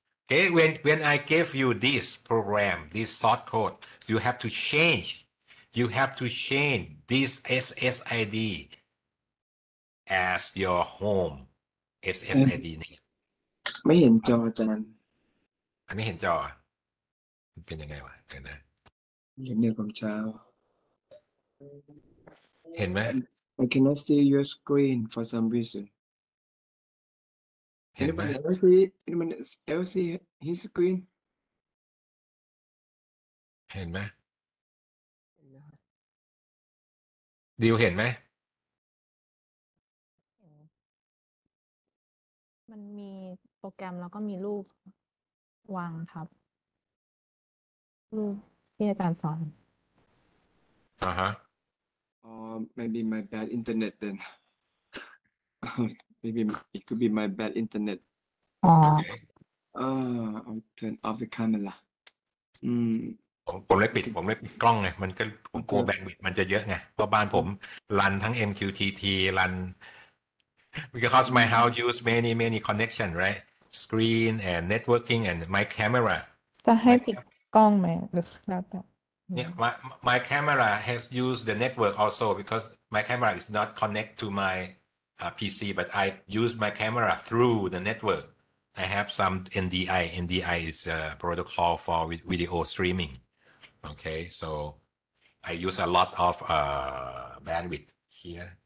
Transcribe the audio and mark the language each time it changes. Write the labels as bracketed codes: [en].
[en] Okay, when I gave you this program, this short code, you have to change. You have to change this SSID as your home SSID name. [th] ไม่เห็นจออาจารย์อันนี้เห็นจอเป็นยังไงวะเห็นนะ เห็นเนี่ยของเช้า เห็นไหม [en] I cannot see your screen for some reason [th] เห็นไหม [en] anyone else see his screen [th] เห็นไหมดิวเห็นไหม มันมีโปรแกรมแล้วก็มีรูปวางครับรูปที่อาจารย์สอน อ่าฮะ [en] maybe my bad internet then maybe it could be my bad internet I'll turn off the camera [th] ผมเลยปิด okay. ผมเลยปิดกล้องไงมันก็ผมกลัวแบนด์วิดต์มันจะเยอะไงเพราะบ้านผมรันทั้ง MQTT รัน [en] because my house use many connection right screen and networking and my camera [th] จะให้ปิดกล้องไหมหรือแล้วแต่ [en] เนี่ย my camera has used the network also because my camera is not connect to my PC but I use my camera through the network I have some NDI is a protocol for video streamingOkay, so I use a lot of bandwidth here.